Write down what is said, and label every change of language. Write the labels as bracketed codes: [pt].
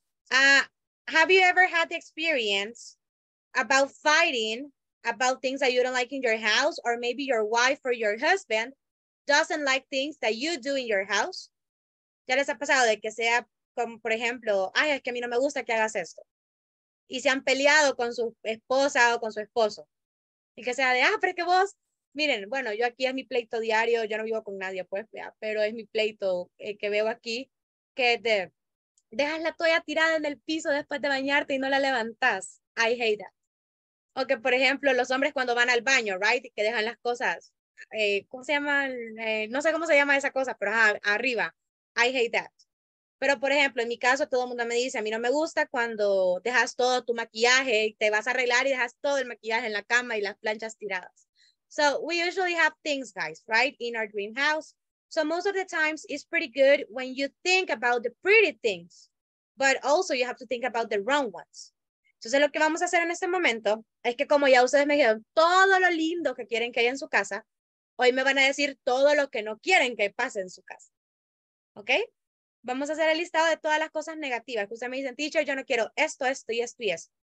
[en] Have you ever had the experience about fighting about things that you don't like in your house, or maybe your wife or your husband doesn't like things that you do in your house? [es] ¿Ya les ha pasado de que sea como, por ejemplo, ay, es que a mí no me gusta que hagas esto? Y se han peleado con su esposa o con su esposo. Y que sea de, ah, pero es que vos, miren, bueno, yo aquí es mi pleito diario, yo no vivo con nadie, pues, ya, pero es mi pleito que veo aquí, que es de, dejas la toalla tirada en el piso después de bañarte y no la levantas. [en] I hate that. [es] O que, por ejemplo, los hombres cuando van al baño, right, que dejan las cosas, ¿cómo se llama? No sé cómo se llama esa cosa, pero arriba. [en] I hate that. [es] Pero, por ejemplo, en mi caso, todo el mundo me dice, a mí no me gusta cuando dejas todo tu maquillaje y te vas a arreglar y dejas todo el maquillaje en la cama y las planchas tiradas. [en] So, we usually have things, guys, right, in our dream house. So, most of the times, it's pretty good when you think about the pretty things, but also you have to think about the wrong ones. [es] Entonces, lo que vamos a hacer en este momento es que como ya ustedes me dijeron todo lo lindo que quieren que haya en su casa, hoy me van a decir todo lo que no quieren que pase en su casa. ¿Ok? Vamos a hacer el listado de todas las cosas negativas. Ustedes me dicen, teacher, yo no quiero esto, esto y esto y esto.